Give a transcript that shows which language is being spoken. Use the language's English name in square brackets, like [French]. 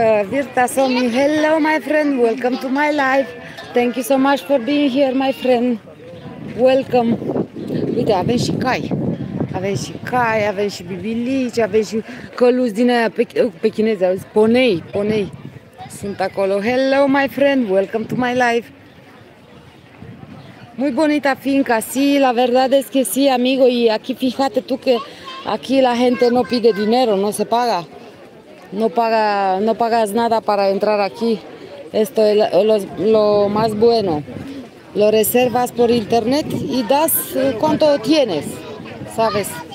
[English] Virta Somi, hello my friend, welcome to my life. Thank you so much for being here, my friend. Welcome. [Romanian] Uite, avem și cai. Avem și cai, avem și bibilici, avem și căluți din aia pe chineze, auzi? Ponei, ponei. Sunt acolo. [English] Hello my friend, welcome to my life. [Spanish] Muy bonita finca, sí, la verdad es que sí, amigo. Y aquí fíjate tú que aquí la gente no pide dinero, no se paga. No pagas nada para entrar aquí. Esto es lo más bueno. Lo reservas por internet y das cuánto tienes, ¿sabes?